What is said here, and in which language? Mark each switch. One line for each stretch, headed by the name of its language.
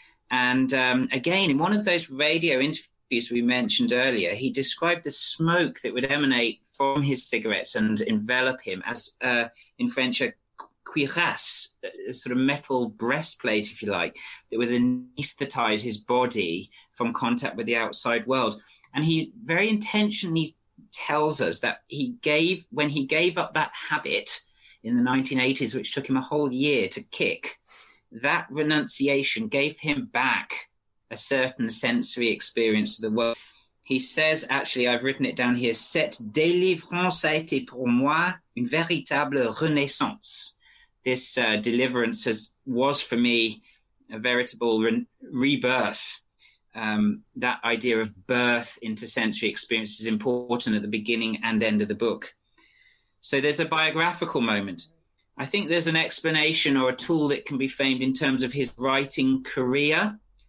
English: And again, in one of those radio interviews we mentioned earlier, he described the smoke that would emanate from his cigarettes and envelop him as, in French, a cuirass, a sort of metal breastplate, if you like, that would anesthetize his body from contact with the outside world. And he very intentionally tells us that when he gave up that habit in the 1980s, which took him a whole year to kick, that renunciation gave him back a certain sensory experience of the world. He says, actually, I've written it down here,
French: cette délivrance a été pour moi une véritable renaissance.
English: This deliverance was for me a veritable rebirth. That idea of birth into sensory experience is important at the beginning and end of the book. So there's a biographical moment. I think there's an explanation or a tool that can be framed in terms of his writing career.